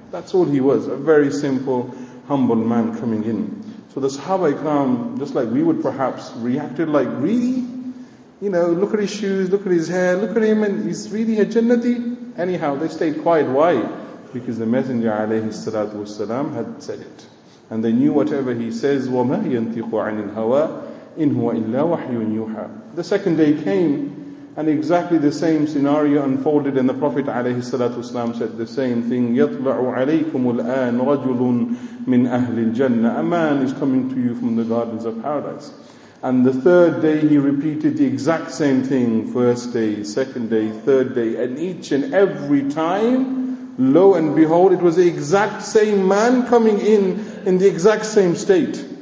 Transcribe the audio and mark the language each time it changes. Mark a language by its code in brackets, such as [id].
[en] That's all he was, a very simple, humble man coming in. So the Sahaba ikram, just like we would perhaps, reacted like, really? You know, look at his shoes, look at his hair, look at him, and he's really a Jannati? Anyhow, they stayed quiet. Why? Because the Messenger alayhi salatu wasalam had said it. And they knew whatever he says, [ar] وَمَا يَنْتِقُ عَنِ الْهَوَىٰ إِنْ هُوَ إِلَّا وَحْيٌ يُوحَىٰ. [en] The second day came, and exactly the same scenario unfolded, and the Prophet alayhi salatu wasalam said the same thing, [ar] يَطْلَعُ عَلَيْكُمُ الْآنَ رَجُلٌ مِّنْ أَهْلِ الْجَنَّةِ, [en] a man is coming to you from the gardens of paradise. And the third day he repeated the exact same thing, first day, second day, third day, and each and every time, lo and behold, it was the exact same man coming in the exact same state.